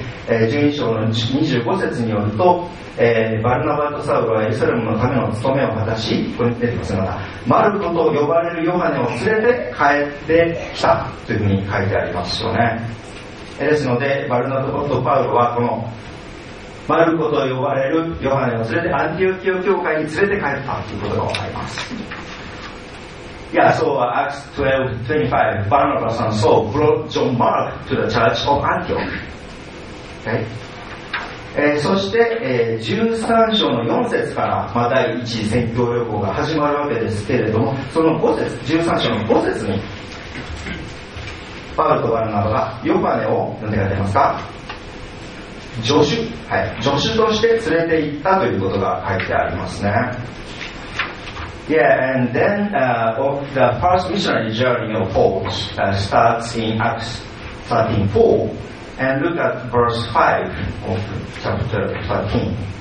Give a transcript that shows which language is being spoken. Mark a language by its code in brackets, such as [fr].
[ja] 12節によると、バルナバとサウロはエルサレムのための務めを果たし、ここに出てますが、マルコと呼ばれるヨハネを連れて帰ってきたというふうに書いてありますよね。ですので、バルナバとパウロはこのマルコと呼ばれるヨハネを連れてアンティオキオ教会に連れて帰ったということがわかります。 [en] Yeah, so Acts 12:25, Barnabas and Saul brought John Mark to the church of Antioch. Okay. [ja] そして、13章の4節からまた一時宣教旅行が始まるわけですけれども、その5節、13章の5節にパウロとバルナバがヨハネを何て書いてますか？助手、はい、助手として連れて行ったということが書いてありますね。 [en] Yeah, and then of the first missionary journey of Paul starts in Acts 13:4, and look at verse 5 of chapter 13.